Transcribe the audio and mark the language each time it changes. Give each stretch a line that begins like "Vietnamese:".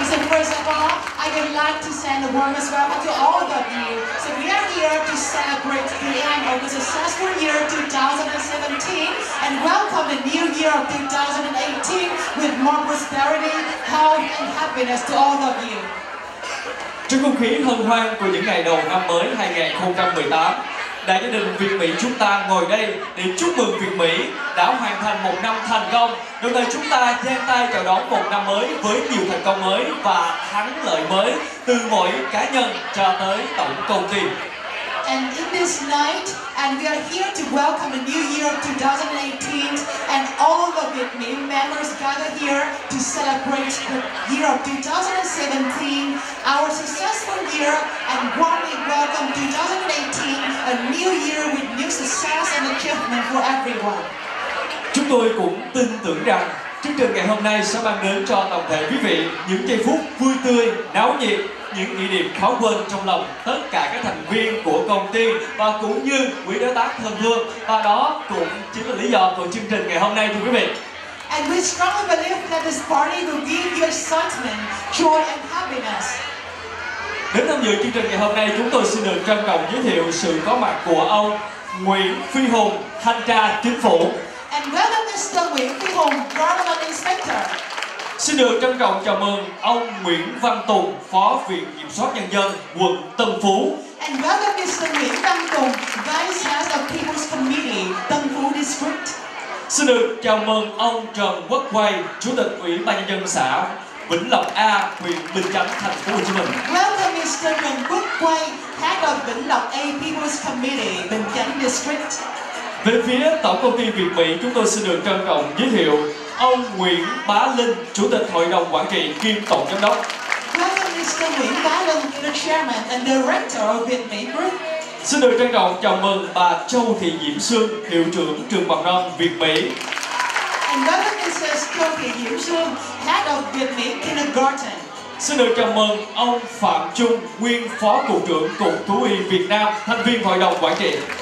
English: First of all, I would like to send a warm as well to all of you. So we are here to celebrate the end of the successful year 2017 and welcome the new year of 2018 with more prosperity, health and happiness to all of you.
Vietnamese: Trong không khí hân hoan của những ngày đầu năm mới 2018, đại gia đình Việt Mỹ chúng ta ngồi đây để chúc mừng Việt Mỹ đã hoàn thành một năm thành công. Đồng thời chúng ta giang tay chào đón một năm mới với nhiều thành công mới và thắng lợi mới từ mỗi cá nhân cho tới tổng công ty.
English: And in this night, and we are here to welcome the new year 2018 and all of the Việt Mỹ members gathered here to celebrate the year of 2017, our successful year, and warmly welcome 2018, a new year with new success and achievement for everyone.
Vietnamese: Chúng tôi cũng tin tưởng rằng chương trình ngày hôm nay sẽ mang đến cho toàn thể quý vị những giây phút vui tươi, náo nhiệt, những kỷ niệm khó quên trong lòng tất cả các thành viên của công ty và cũng như quý đối tác thân thương. Và đó cũng chính là lý do của chương trình ngày hôm nay thưa quý vị.
English: And we strongly believe that this party will give you excitement, joy and happiness.
Vietnamese: Đến tham dự chương trình ngày hôm nay, chúng tôi xin được trân trọng giới thiệu sự có mặt của ông Nguyễn Phi Hùng, Thanh tra Chính phủ.
English: And welcome Mr. Nguyễn Phi Hùng, Government Inspector.
Vietnamese: Xin được trân trọng chào mừng ông Nguyễn Văn Tùng, Phó Viện Kiểm soát Nhân dân, quận Tân Phú.
English: And welcome Mr. Nguyễn Văn Tùng, Vice Head of People's Committee, Tân Phú District.
Vietnamese: Xin được chào mừng ông Trần Quốc Quay, Chủ tịch Ủy ban Nhân dân xã Vĩnh Lộc A, huyện Bình Chánh, Thành phố Hồ Chí Minh.
English: Welcome Mr. Trần Quốc Quay, Head of Vĩnh Lộc A, People's Committee, Bình Chánh District.
Vietnamese: Về phía Tổng công ty Việt Mỹ, chúng tôi xin được trân trọng giới thiệu ông Nguyễn Bá Linh, Chủ tịch Hội đồng Quản trị kiêm Tổng Giám đốc.
English: Welcome Mr. Nguyễn Bá Linh, the Chairman and Director of Việt Mỹ Group.
Vietnamese: Xin được trân trọng chào mừng bà Châu Thị Diễm Sương, Hiệu trưởng Trường Mầm Non Việt Mỹ.
English: And welcome Mr. Châu Thị Diễm Sương, Head of Việt Mỹ Kindergarten.
Vietnamese: Xin được chào mừng ông Phạm Trung, Nguyên Phó Cục trưởng Cục Thú y Việt Nam, thành viên Hội đồng Quản trị.